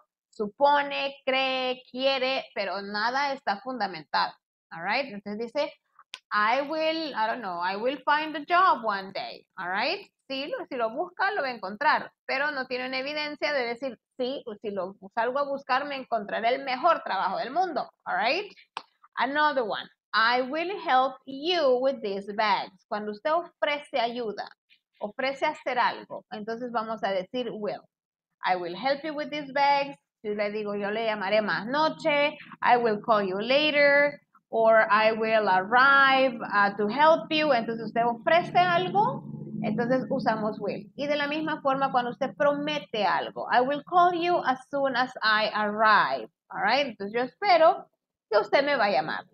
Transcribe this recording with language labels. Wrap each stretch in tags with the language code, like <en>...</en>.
<es>Supone, cree, quiere, pero nada está fundamental. All right. Entonces dice,</es> <en>I will find a job one day. All right.</en> <es>Sí, si lo busca, lo va a encontrar, pero no tiene una evidencia de decir, sí, si lo salgo a buscar, me encontraré el mejor trabajo del mundo, all right?</es> <en>Another one, I will help you with these bags.</en> <es>Cuando usted ofrece ayuda, ofrece hacer algo, entonces vamos a decir, will.</es> <en>I will help you with these bags.</en> <es>Si le digo, yo le llamaré más noche,</es> <en>I will call you later, or I will arrive to help you.</en> <es>Entonces usted ofrece algo, entonces usamos will. Y de la misma forma cuando usted promete algo.</es> <en>I will call you as soon as I arrive. All right?</en> <es>Entonces yo espero que usted me va a llamar.</es>